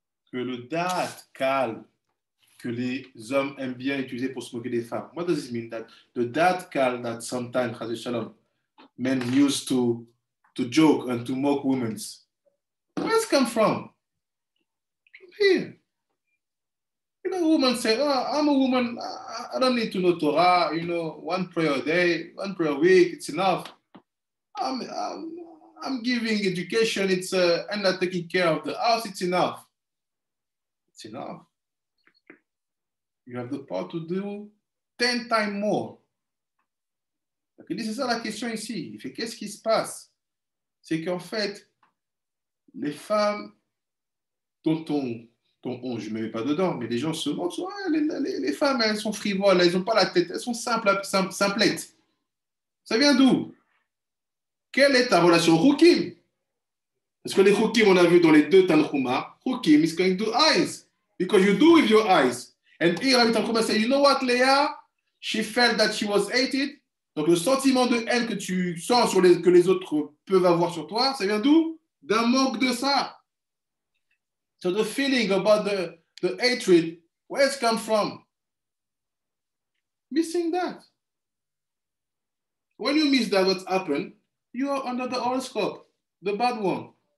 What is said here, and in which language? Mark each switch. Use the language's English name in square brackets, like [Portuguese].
[French] Que le dat kal que les hommes aiment bien utiliser pour se moquer des femmes. [English] What does it mean that the dat kal that sometimes Chazal Shalom men use to joke and to mock women? Where does it come from? Here. You know, woman say, oh, I'm a woman, I don't need to know Torah, you know, one prayer a day, one prayer a week, it's enough. I'm giving education, it's and I'm taking care of the house, it's enough. It's enough. You have the power to do 10 times more. Okay, this is all [French] la question ici. If qu'est-ce qui se passe? C'est qu'en fait, les femmes dont on, je ne me mets pas dedans, mais les gens se moquent, ouais, les femmes, elles sont frivoles, elles n'ont pas la tête, elles sont simplettes. Ça vient d'où? Quelle est ta relation au hukim? Parce que les hukim, on a vu dans les deux Tanhuma, [English] hukim is going to eyes. Because you do with your eyes. And here, I'm going to say, you know what, Léa? She felt that she was hated. [French] Donc, le sentiment de haine que tu sens sur les, que les autres peuvent avoir sur toi, ça vient d'où? D'un manque de ça. [English] So the feeling about the hatred, where it comes from? Missing that. When you miss that, what happened? You are under the horoscope, the bad one.